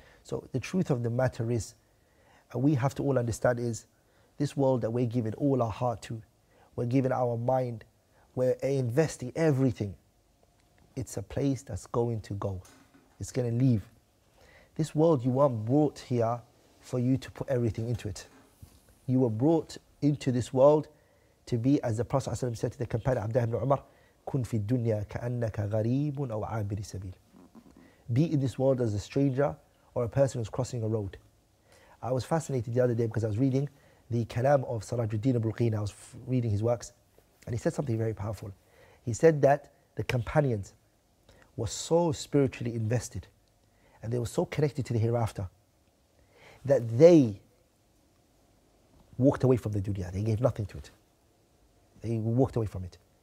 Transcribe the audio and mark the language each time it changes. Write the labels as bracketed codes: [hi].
[en] So the truth of the matter is, and we have to all understand, is this world that we're giving all our heart to, we're giving our mind, we're investing everything, it's a place that's going to go. It's going to leave. This world, you weren't brought here for you to put everything into it. You were brought into this world to be, as the Prophet ﷺ said to the companion Abdullah ibn Umar, [ar] كن في الدنيا كأنك غريب أو عابر سبيل. [en] Be in this world as a stranger or a person who's crossing a road. I was fascinated the other day because I was reading the kalam of Sirajuddin Bulqin. I was reading his works, and he said something very powerful. He said that the companions were so spiritually invested and they were so connected to the hereafter that they walked away from the dunya. They gave nothing to it. They walked away from it.